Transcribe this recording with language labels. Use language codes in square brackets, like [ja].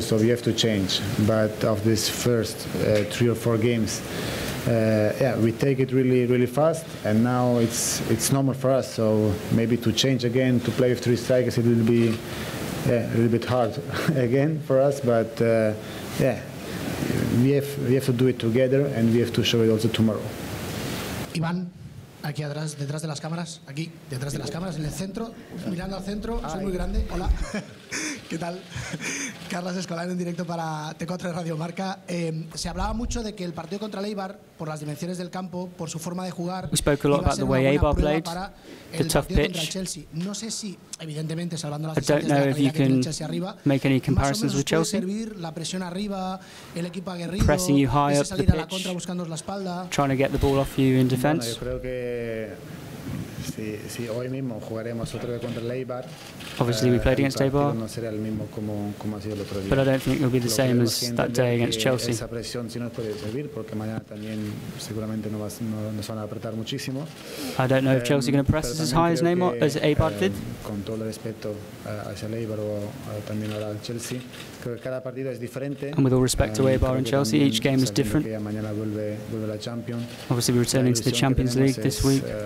[en] So we have to change. But of this first three or four games, we take it really, really fast, and now it's normal for us. So maybe to change again to play with three strikers, it will be a little bit hard again for us. But we have to do it together, and we have to show it also tomorrow. [es] Ivan, aquí atrás, detrás de las cámaras, aquí detrás de las cámaras, en el centro, mirando al centro. Soy muy grande. Hola. ¿Qué tal? Carlos Escolar en directo para T4 de Radio Marca. Se hablaba mucho de que el partido contra el Eibar, por las dimensiones del campo, por su forma de jugar, [en] we spoke a lot about the way Eibar played, the tough pitch. [es] No sé si, evidentemente, salvando las distancias, [en] I don't know if you can make any comparisons with Chelsea. [es] La presión arriba, el equipo aguerrido, [en] pressing you high up the pitch, [es] contra, buscando la espalda, [en] trying to get the ball off you in defense. [es] Bueno, yo creo que Sí, hoy mismo jugaremos otro contra el Eibar. [en] Obviously we played against Eibar. [es] No será el mismo como ha sido el otro día. [en] But I don't think it will be the same as that day against Chelsea. [es] Esa presión sí nos puede servir porque mañana también seguramente nos van a apretar muchísimo. [en] I don't know if Chelsea are going to press us as high as Neymar as Eibar did. [es] Con todo el respeto hacia el Eibar o también al Chelsea, creo que cada partido es diferente. [en] And with all respect to Eibar and Chelsea, each game is different. [es] Mañana vuelve la Champions. [en] Obviously we're returning to the Champions League this week.